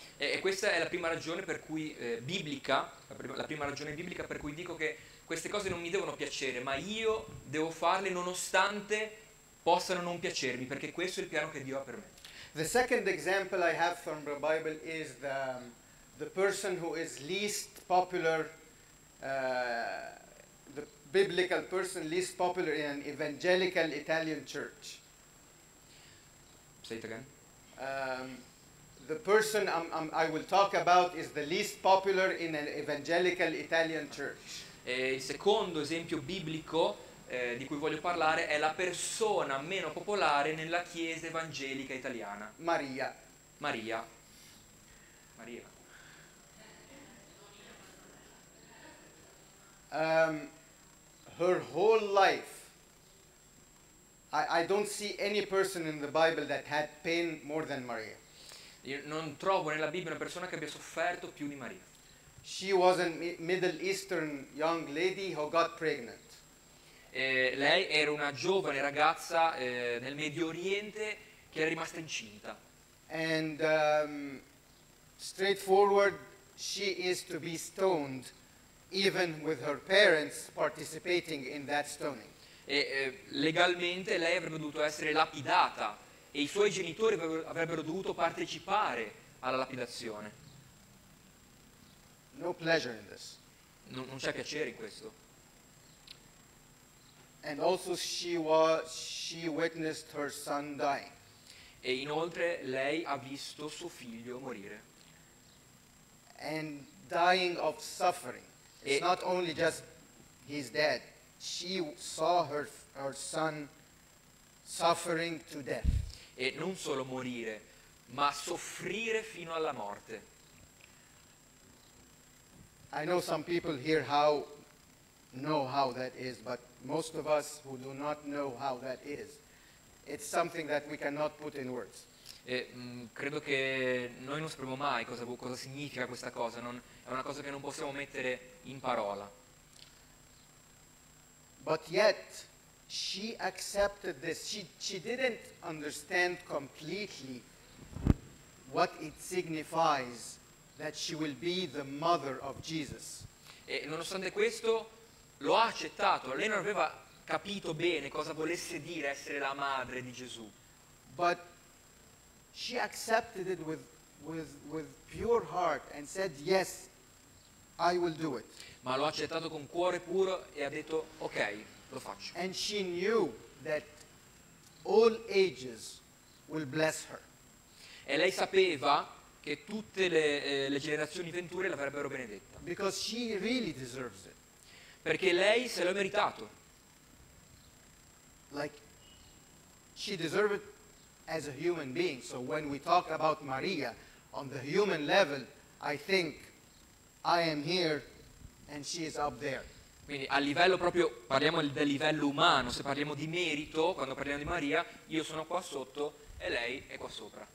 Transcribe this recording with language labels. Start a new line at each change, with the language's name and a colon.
Italian: E questa è la prima ragione per cui biblica, la prima ragione biblica per cui dico che queste cose non mi devono piacere, ma io devo farle nonostante possano non piacermi, perché questo è il piano che Dio ha per me.
English: The second example I have from the Bible is the person who is least popular, the biblical person least popular in an evangelical Italian church. Say it again. The person I will talk about is the least popular in an evangelical Italian church.
Italian: Il secondo esempio biblico di cui voglio parlare è la persona meno popolare nella chiesa evangelica italiana. Maria. Maria. Maria.
English: Her whole life. I don't see any person in the Bible that had pain more than Maria.
Italian: Io non trovo nella Bibbia una persona che abbia sofferto più di Maria.
English: She was a Middle Eastern young lady who got pregnant.
Italian: Lei era una giovane ragazza nel Medio Oriente che era rimasta incinta.
English: And straightforward, she is to be stoned, even with her parents participating in that stoning.
Italian: Legalmente lei avrebbe dovuto essere lapidata e i suoi genitori avrebbero dovuto partecipare alla lapidazione.
English: No pleasure in this.
Italian: Non c'è piacere in questo.
English: And also she witnessed her son dying.
Italian: E inoltre lei ha visto suo figlio morire.
English: And dying of suffering. It's not only just he's dead. She saw her son suffering to death.
Italian: E non solo morire, ma soffrire fino alla morte.
English: I know some people here know how that is, but most of us who do not know how that is, it's something that we cannot put in words.
Italian: Credo che noi non sapremo mai cosa significa questa cosa, non è una cosa che non possiamo mettere in parola.
English: But yet she accepted this. She didn't understand completely what it signifies that she will be the mother of Jesus.
Italian: E nonostante questo lo ha accettato. Lei non aveva capito bene cosa volesse dire essere la madre di Gesù.
English: But she accepted it with pure heart and said, yes, I will do it.
Italian: Ma lo ha accettato con cuore puro e ha detto, ok, lo faccio.
English: And she knew that all ages will bless her.
Italian: E lei sapeva che tutte le generazioni venture l'avrebbero benedetta.
English: Because she really deserves it.
Italian: Perché lei se l'ha meritato.
English: Like, she deserved it as a human being. So when we talk about Maria on the human level, I think I am here and she is up there.
Italian: Quindi a livello proprio, parliamo del livello umano, se parliamo di merito, quando parliamo di Maria, io sono qua sotto e lei è qua sopra.